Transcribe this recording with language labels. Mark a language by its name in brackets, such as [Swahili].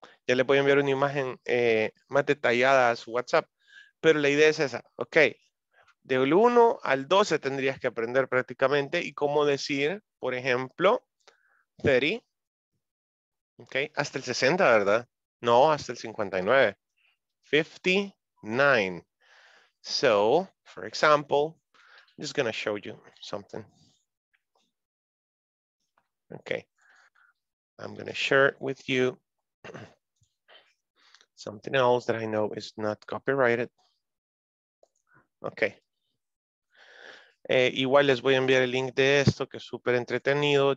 [Spanish] Ya le voy a enviar una imagen más detallada a su WhatsApp, pero la idea es esa, okay. Del 1 al 12 tendrías que aprender prácticamente y cómo decir, por ejemplo, 30, okay, hasta el 60, ¿verdad? No, hasta el 59. 59. [English] So, for example, I'm just going to show you something. Okay. I'm going to share with you something else that I know is not copyrighted. Okay. [Spanish] Igual les voy a enviar el link de esto que es súper entretenido.